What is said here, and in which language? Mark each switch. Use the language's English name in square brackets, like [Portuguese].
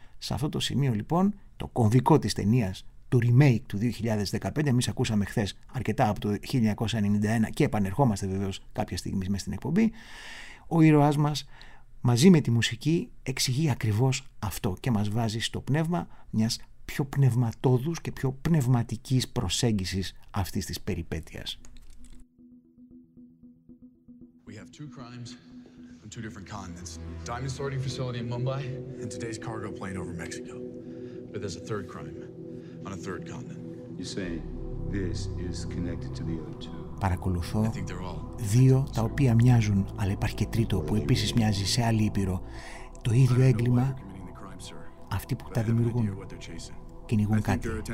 [Greek] Σε αυτό το σημείο λοιπόν, το κομβικό της ταινίας, του remake του 2015, εμείς ακούσαμε χθες αρκετά από το 1991 και επανερχόμαστε βεβαίως κάποια στιγμή μέσα στην εκπομπή, ο ήρωάς μας μαζί με τη μουσική εξηγεί ακριβώς αυτό και μας βάζει στο πνεύμα μιας πιο πνευματόδους και πιο πνευματικής προσέγγισης αυτής της περιπέτειας. [English] We have two crimes on two different continents. Diamond sorting facility in Mumbai and today's cargo plane over Mexico. But there's a third crime on a third continent. You say this is connected to the other two. [Greek] Παρακολουθώ δύο τα οποία μοιάζουν, αλλά υπάρχει και τρίτο που επίσης μοιάζει σε άλλη ήπειρο. Το ίδιο έγκλημα αυτοί που τα δημιουργούν. Κυνηγούν κάτι.